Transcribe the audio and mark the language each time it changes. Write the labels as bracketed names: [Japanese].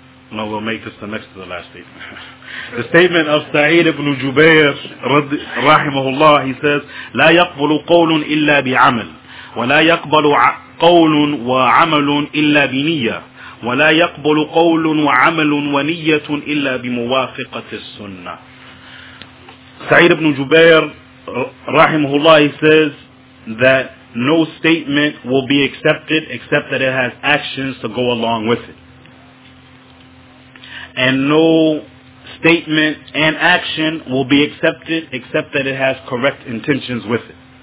[English] No, we'll make this the next to the last statement. The statement of Sa'id ibn Jubayr, rahimahullah, he says, [Arabic] لا يقبل قول إلا بعمل ولا يقبل قول وعمل إلا بنية ولا يقبل قول وعمل ونية إلا بموافقة السنة. [English] Sa'id ibn Jubayr, rahimahullah, he says that no statement will be accepted except that it has actions to go along with it. And no statement and action will be accepted except that it has correct intentions with it.